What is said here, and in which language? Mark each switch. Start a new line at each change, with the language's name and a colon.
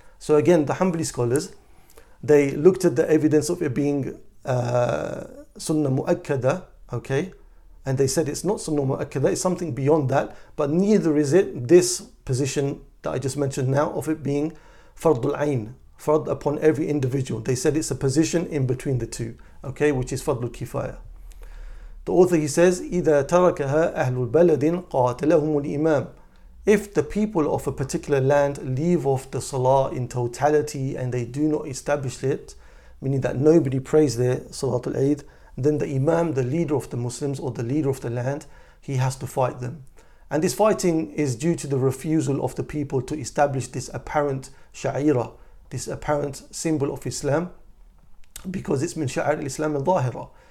English: So again, the Hanbali scholars, they looked at the evidence of it being Sunnah Mu'akkada, okay? And they said it's not Sunnah Mu'akkada, it's something beyond that, but neither is it this position that I just mentioned now of it being Fardul Ayn, Fard upon every individual. They said it's a position in between the two, okay, which is Fardul Kifaya. The author, he says,
Arabic: إِذَا تَرَكَهَا أَهْلُ الْبَلَدٍ قَاتَلَهُمُ الْإِمَامِ.
English: If the people of a particular land leave off the salah in totality and they do not establish it, meaning that nobody prays there, Salatul Eid, then the Imam, the leader of the Muslims or the leader of the land, he has to fight them. And this fighting is due to the refusal of the people to establish this apparent sha'ira, this apparent symbol of Islam, because it's
Arabic: min sha'ir al-Islam al-dhahira.